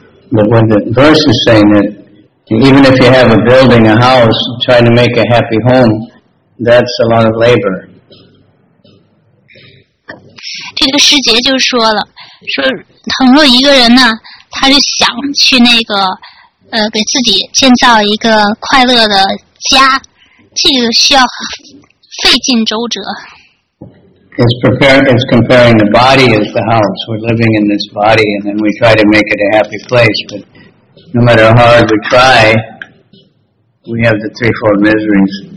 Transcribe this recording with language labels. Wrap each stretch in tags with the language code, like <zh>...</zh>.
<en>But when the verse is saying that even if you have a building, a house, trying to make a happy home, that's a lot of labor.</en> <zh>这个师姐就说了，说倘若一个人呢，他就想去那个，给自己建造一个快乐的家，这个需要费尽周折。</zh> <en>It's comparing the body as the house. We're living in this body, and then we try to make it a happy place. But no matter how hard we try, we have the threefold miseries.</en>